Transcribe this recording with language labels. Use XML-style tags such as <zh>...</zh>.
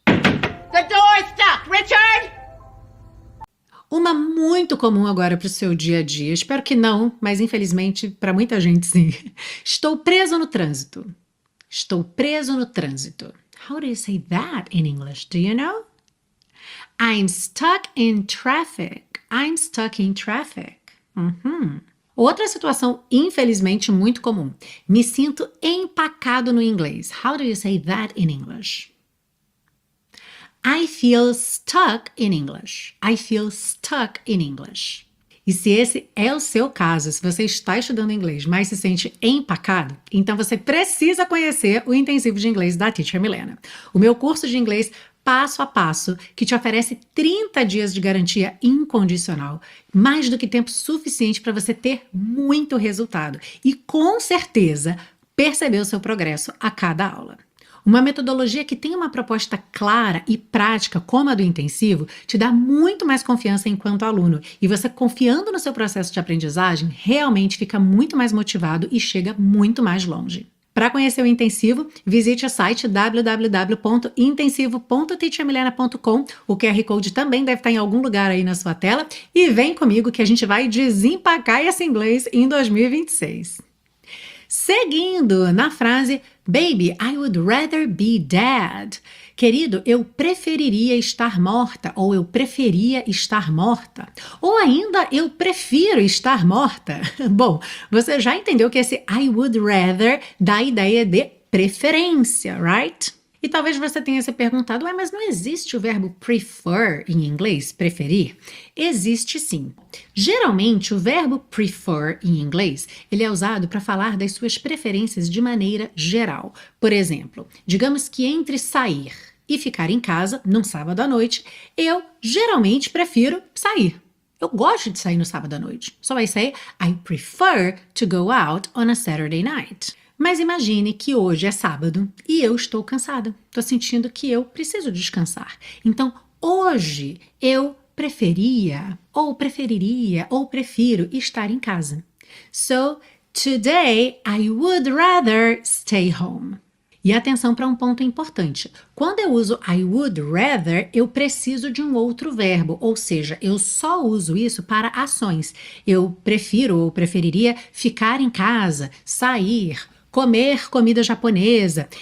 <en>The door is stuck, Richard!</en> <pt>Uma muito comum agora para o seu dia a dia. Espero que não, mas infelizmente para muita gente sim. Estou preso no trânsito. Estou preso no trânsito.</pt> <en>How do you say that in English? Do you know? I'm stuck in traffic. I'm stuck in traffic. Uhum.</en> <pt>Outra situação infelizmente muito comum. Me sinto empacado no inglês.</pt> <en>How do you say that in English? I feel stuck in English. I feel stuck in English.</en> <pt>E se esse é o seu caso, se você está estudando inglês, mas se sente empacado, então você precisa conhecer o intensivo de inglês da Teacher Milena. O meu curso de inglês passo a passo, que te oferece 30 dias de garantia incondicional, mais do que tempo suficiente para você ter muito resultado e com certeza perceber o seu progresso a cada aula. Uma metodologia que tem uma proposta clara e prática, como a do intensivo, te dá muito mais confiança enquanto aluno. E você, confiando no seu processo de aprendizagem, realmente fica muito mais motivado e chega muito mais longe. Para conhecer o intensivo, visite o site www.intensivo.teachermilena.com. O QR Code também deve estar em algum lugar aí na sua tela. E vem comigo que a gente vai desempacar esse inglês em 2026. Seguindo na frase,</pt> <en>baby, I would rather be dead.</en> <pt>Querido, eu preferiria estar morta, ou eu preferia estar morta, ou ainda eu prefiro estar morta. Bom, você já entendeu que esse</pt> <en>I would rather</en> <pt>dá a ideia de preferência,</pt> <en>right?</en> <pt>E talvez você tenha se perguntado, ué, mas não existe o verbo prefer em inglês, preferir? Existe sim. Geralmente, o verbo prefer em inglês, ele é usado para falar das suas preferências de maneira geral. Por exemplo, digamos que entre sair e ficar em casa num sábado à noite, eu geralmente prefiro sair. Eu gosto de sair no sábado à noite.</pt> <en>So I say, I prefer to go out on a Saturday night.</en> <pt>Mas imagine que hoje é sábado e eu estou cansada. Estou sentindo que eu preciso descansar. Então, hoje eu preferiria ou prefiro estar em casa.</pt> <en>So, today I would rather stay home.</en> <pt>E atenção para um ponto importante. Quando eu uso</pt> <en>I would rather,</en> <pt>eu preciso de um outro verbo. Ou seja, eu só uso isso para ações. Eu prefiro ou preferiria ficar em casa, sair, comer comida japonesa.</pt>